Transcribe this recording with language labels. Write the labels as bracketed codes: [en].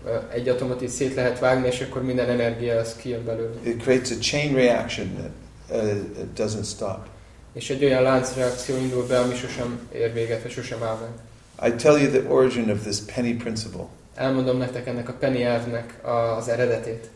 [hu] Egy atomot itt szét lehet vágni, és akkor minden energia az kijön belőle. [en] It creates a chain reaction that doesn't stop. [hu] És egy olyan láncreakció indul be, ami sosem ér véget, vagy sosem áll meg. [en] I tell you the origin of this penny principle. [hu] Elmondom nektek ennek a penny elvnek az eredetét.